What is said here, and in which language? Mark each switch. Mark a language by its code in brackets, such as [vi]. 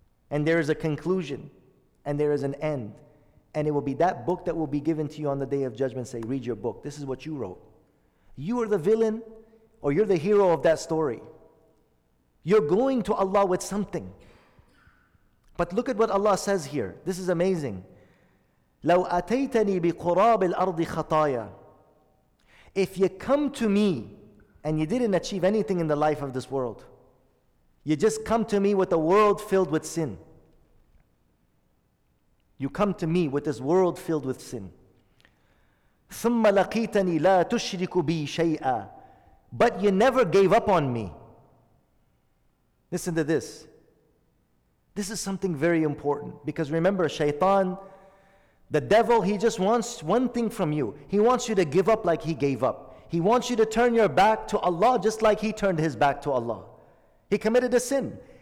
[en] And there is a conclusion, and there is an end. And it will be that book that will be given to you on the day of judgment. Say, read your book. This is what you wrote. You are the villain, or you're the hero of that story. You're going to Allah with something. But look at what Allah says here. This is amazing. [ar] لو أتيتني بقراب الأرض خطايا. [en] If you come to me and you didn't achieve anything in the life of this world, you just come to me with a world filled with sin. You come to me with this world filled with sin. [ar] ثم لقيتني لا تشرك بي شيئا. [en] But you never gave up on me. Listen to this. This is something very important. Because remember, Shaytan, the devil, he just wants one thing from you. He wants you to give up like he gave up. He wants you to turn your back to Allah just like he turned his back to Allah. He committed a sin.